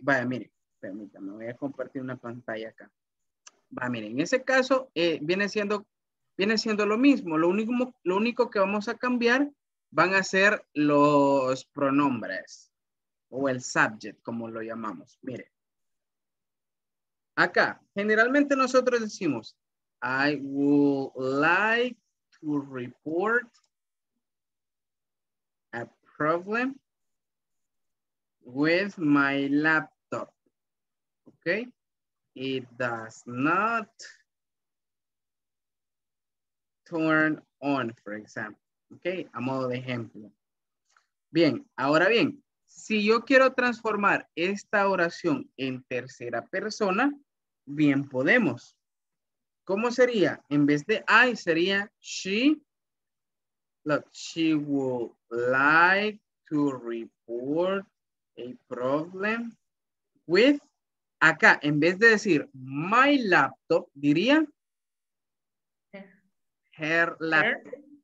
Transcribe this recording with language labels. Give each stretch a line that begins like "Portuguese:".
Spanish: Vaya, mire, permítame, voy a compartir una pantalla acá. Va, mire, en ese caso viene siendo lo mismo. Lo único que vamos a cambiar van a ser los pronombres o el subject, como lo llamamos. Mire, acá, generalmente nosotros decimos,
English: I would like to report a problem with my laptop. Ok. It does not turn on, for example.
Spanish: Ok, a modo de ejemplo. Bien, ahora bien, si yo quiero transformar esta oración en tercera persona, bien podemos. ¿Cómo sería? En vez de I, sería
English: she would like to report a problem with.
Spanish: Acá, en vez de decir my laptop, diría her laptop.